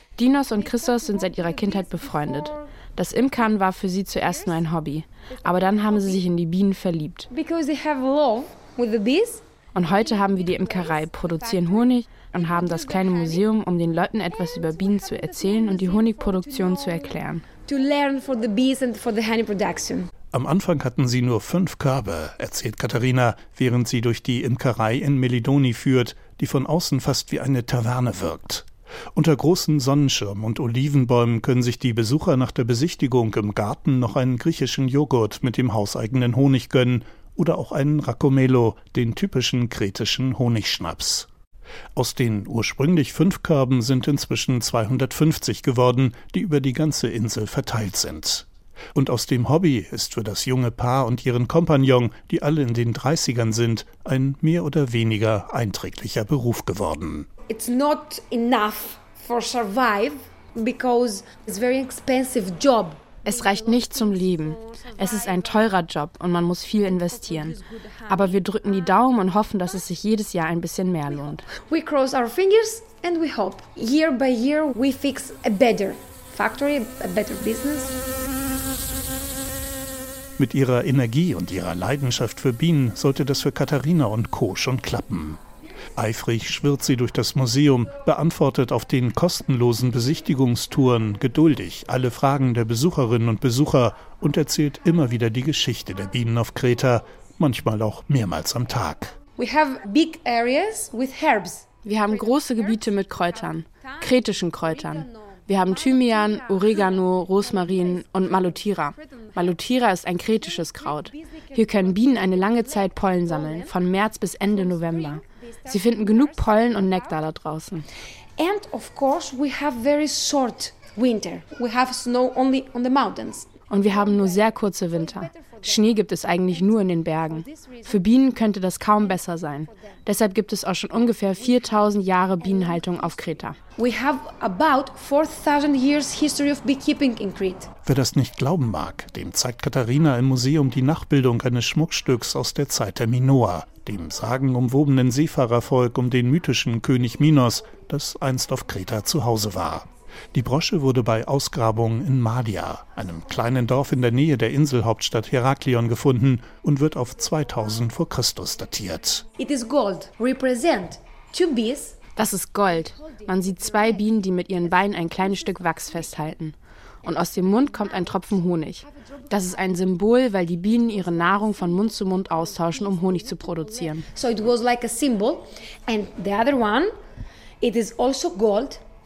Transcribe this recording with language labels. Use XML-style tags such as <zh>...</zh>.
<de>Dinos und Christos sind seit ihrer Kindheit befreundet. Das Imkern war für sie zuerst nur ein Hobby. Aber dann haben sie sich in die Bienen verliebt.</de> <en>Because they have love with the bees.</en> <de>Und heute haben wir die Imkerei, produzieren Honig und haben das kleine Museum, um den Leuten etwas über Bienen zu erzählen und die Honigproduktion zu erklären.</de> <en>To learn for the bees and for the honey production.</en> <de>Am Anfang hatten sie nur 5 Körbe, erzählt Katharina, während sie durch die Imkerei in Melidoni führt, die von außen fast wie eine Taverne wirkt. Unter großen Sonnenschirmen und Olivenbäumen können sich die Besucher nach der Besichtigung im Garten noch einen griechischen Joghurt mit dem hauseigenen Honig gönnen oder auch einen Rakomelo, den typischen kretischen Honigschnaps. Aus den ursprünglich 5 Körben sind inzwischen 250 geworden, die über die ganze Insel verteilt sind. Und aus dem Hobby ist für das junge Paar und ihren Kompagnon, die alle in den 30ern sind, ein mehr oder weniger einträglicher Beruf geworden.</de> <en>It's not enough for survive because it's a very expensive job.</en> <de>Es reicht nicht zum Leben. Es ist ein teurer Job und man muss viel investieren. Aber wir drücken die Daumen und hoffen, dass es sich jedes Jahr ein bisschen mehr lohnt.</de> <en>We cross our fingers and we hope. Year by year we fix a better factory, a better business.</en> <de>Mit ihrer Energie und ihrer Leidenschaft für Bienen sollte das für Katharina und Co. schon klappen. Eifrig schwirrt sie durch das Museum, beantwortet auf den kostenlosen Besichtigungstouren geduldig alle Fragen der Besucherinnen und Besucher und erzählt immer wieder die Geschichte der Bienen auf Kreta, manchmal auch mehrmals am Tag.</de> <en>We have big areas with herbs.</en> <de>Wir haben große Gebiete mit Kräutern, kretischen Kräutern. Wir haben Thymian, Oregano, Rosmarin und Malotira. Malotira ist ein kretisches Kraut. Hier können Bienen eine lange Zeit Pollen sammeln, von März bis Ende November. Sie finden genug Pollen und Nektar da draußen.</de> <en>And of course we have very short winter. We have snow only on the mountains.</en> <de>Und wir haben nur sehr kurze Winter. Schnee gibt es eigentlich nur in den Bergen. Für Bienen könnte das kaum besser sein. Deshalb gibt es auch schon ungefähr 4000 Jahre Bienenhaltung auf Kreta.</de> <en>We have about 4000 years history of beekeeping in Crete.</en> <de>Wer das nicht glauben mag, dem zeigt Katharina im Museum die Nachbildung eines Schmuckstücks aus der Zeit der Minoa, dem sagenumwobenen Seefahrervolk um den mythischen König Minos, das einst auf Kreta zu Hause war. Die Brosche wurde bei Ausgrabungen in Madia, einem kleinen Dorf in der Nähe der Inselhauptstadt Heraklion, gefunden und wird auf 2000 vor Christus datiert.</de> <en>It is gold. Represent two bees.</en> <de>Das ist Gold. Man sieht zwei Bienen, die mit ihren Beinen ein kleines Stück Wachs festhalten. Und aus dem Mund kommt ein Tropfen Honig. Das ist ein Symbol, weil die Bienen ihre Nahrung von Mund zu Mund austauschen, um Honig zu produzieren.</de> <en>So it was like a symbol. And the other one, it is also gold.</en>